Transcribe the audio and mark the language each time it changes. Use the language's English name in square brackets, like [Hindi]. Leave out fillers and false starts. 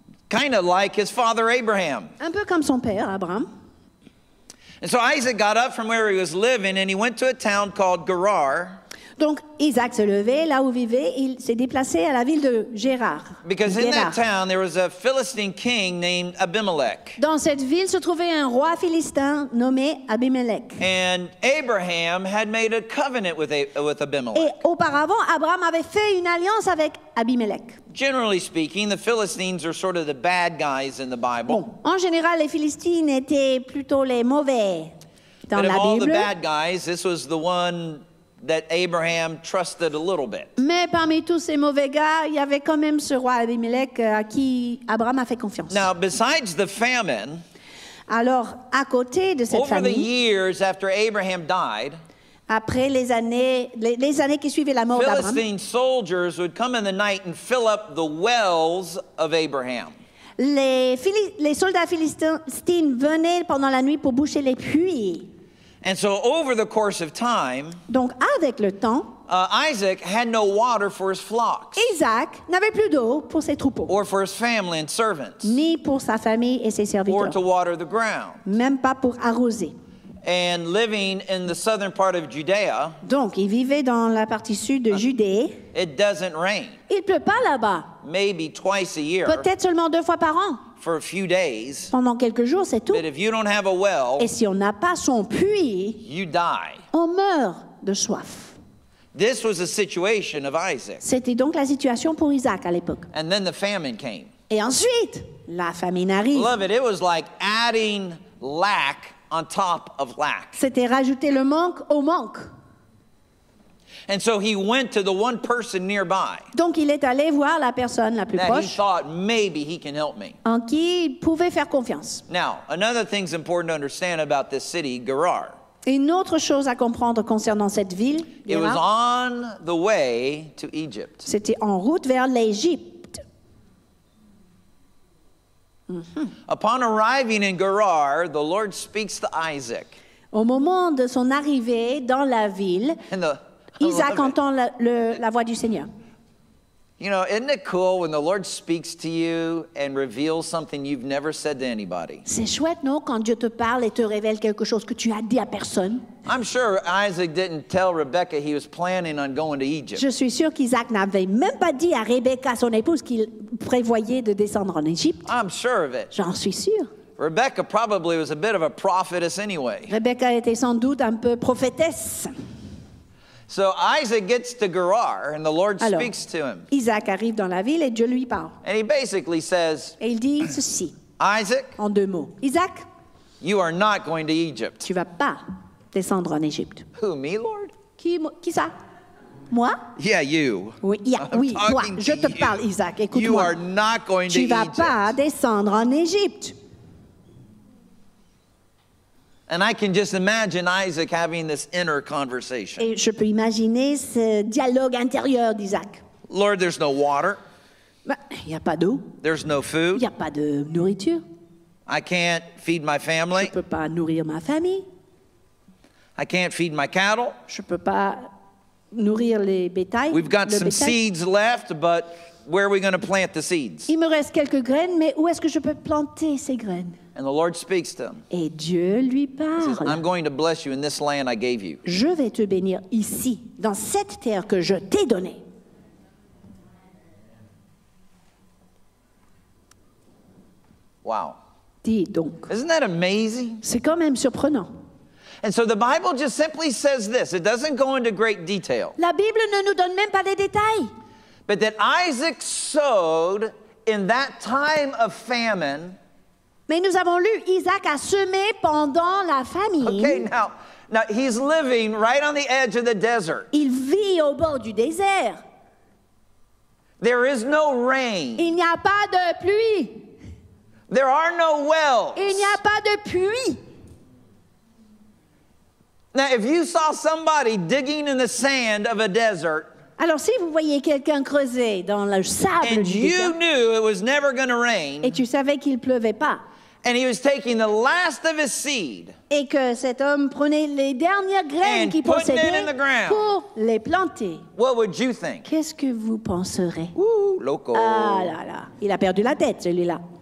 [English] Kind of like his father Abraham. [French] Un peu comme son père Abraham. [English] And so Isaac got up from where he was living and he went to a town called Gerar. [French] Donc Isaac s'est levé là où il vivait, il s'est déplacé à la ville de Gérar. [English] Because in that town there was a Philistine king named Abimelech. [French] Dans cette ville se trouvait un roi philistin nommé Abimelech. [English] And Abraham had made a covenant with Abimelech. [French] Et auparavant Abraham avait fait une alliance avec Abimelech. [English] Generally speaking, the Philistines are sort of the bad guys in the Bible. [French] Bon, en général les Philistines étaient plutôt les mauvais dans la Bible. [English] But of all the bad guys, this was the one that Abraham trusted a little bit. [French] Mais parmi tous ces mauvais gars, il y avait quand même ce roi Abimelech à qui Abraham a fait confiance. [English] Now, besides the famine, [French] alors à côté de cette [English] famine, the years after Abraham died, [French] après les années qui suivaient la mort d'Abraham, [English] Philistine soldiers would come in the night and fill up the wells of Abraham. [French] Les soldats philistins venaient pendant la nuit pour boucher les puits. [English] And so over the course of time, [French] donc avec le temps, [English] Isaac had no water for his flocks. [French] Isaac n'avait plus d'eau pour ses troupeaux. [English] Or for his family and servants. [French] Ni pour sa famille et ses serviteurs. [English] Or to water the ground. [French] Même pas pour arroser. [English] And living in the southern part of Judea, [French] donc il vivait dans la partie sud de Judée. [English] It doesn't rain. [French] Il pleut pas là-bas. [English] Maybe twice a year. [French] Peut-être seulement deux fois par an. [English] For a few days, [French] pendant quelques jours, c'est tout. [English] But if you don't have a well, [French] et si on n'a pas son puits, [English] you die. [French] On meurt de soif. [English] This was the situation of Isaac. [French] C'était donc la situation pour Isaac à l'époque. [English] And then the famine came. [French] Et ensuite, la famine arrive. [English] Beloved, it was like adding lack on top of lack. [French] C'était rajouter le manque au manque. [English] And so he went to the one person nearby. [French] Donc il est allé voir la personne la plus [English] that [French] proche. [English] That he thought maybe he can help me. [French] En qui il pouvait faire confiance. [English] Now, another thing's important to understand about this city, Gerar. [French] Une autre chose à comprendre concernant cette ville, [English] Gerar. It was on the way to Egypt. [French] C'était en route vers l'Égypte. Mm-hmm. [English] Upon arriving in Gerar, the Lord speaks to Isaac. [French] Au moment de son arrivée dans la ville, Isaac entend la voix du Seigneur. [English] You know, isn't it cool when the Lord speaks to you and reveals something you've never said to anybody? [French] C'est chouette, non, quand Dieu te parle et te révèle quelque chose que tu as dit à personne. [English] I'm sure Isaac didn't tell Rebecca he was planning on going to Egypt. [French] Je suis sûr qu'Isaac n'avait même pas dit à Rebecca, son épouse, qu'il prévoyait de descendre en Égypte. [English] I'm sure of it. [French] J'en suis sûr. [English] Rebecca probably was a bit of a prophetess anyway. [French] Rebecca était sans doute un peu prophétesse. [English] So Isaac gets to Gerar, and the Lord [French] alors, [English] speaks to him. [French] Isaac arrive dans la ville et Dieu lui parle. [English] And he basically says, [French] et il dit ceci, [English] Isaac, [French] en deux mots, Isaac, [English] you are not going to Egypt. [French] Tu vas pas descendre en Égypte. [English] Who, me, Lord? [French] Qui ça? Moi? [English] Yeah, you. [French] Oui, yeah, oui moi. Je te parle, Isaac. Écoute-moi. [English] You are not going [French] tu [English] to Egypt. [French] Tu vas pas descendre en Égypte. [English] And I can just imagine Isaac having this inner conversation. [French] Et je peux imaginer ce dialogue intérieur d'Isaac. [English] Lord, there's no water. [French] Bah, y a pas d'eau. [English] There's no food. [French] Y a pas de nourriture. [English] I can't feed my family. [French] Je peux pas nourrir ma famille. [English] I can't feed my cattle. [French] Je peux pas nourrir les bétails. [English] We've got some seeds left, but where are we going to plant the seeds? [French] Il me reste quelques graines, mais où est-ce que je peux planter ces graines? [English] And the Lord speaks to him. [French] Et Dieu lui parle. [English] He says, I'm going to bless you in this land I gave you. [French] Je vais te bénir ici, dans cette terre que je t'ai donnée. [English] Wow. [French] Dis donc. [English] Isn't that amazing? [French] C'est quand même surprenant. [English] And so the Bible just simply says this. It doesn't go into great detail. [French] La Bible ne nous donne même pas les détails. [English] But that Isaac sowed in that time of famine. [French] Mais nous avons lu, Isaac a semé pendant la famine. [English] Okay, now he's living right on the edge of the desert. [French] Il vit au bord du désert. [English] There is no rain. [French] Il n'y a pas de pluie. [English] There are no wells. [French] Il n'y a pas de puits. [English] Now, if you saw somebody digging in the sand of a desert, [French] alors si vous voyez quelqu'un creuser dans le sable [English] and [French] du [English] you [French] désert, [English] knew it was never going to rain, [French] et tu savais qu'il pleuvait pas, [English] and he was taking the last of his seed, [French] et que cet homme prenait les dernières graines qu'il possédait [English] in the ground, [French] pour les planter, [English] what would you think? [French] Qu'est-ce que vous penserez? [English] Ooh, loco. [French] Ah là là, il a perdu la tête, celui-là.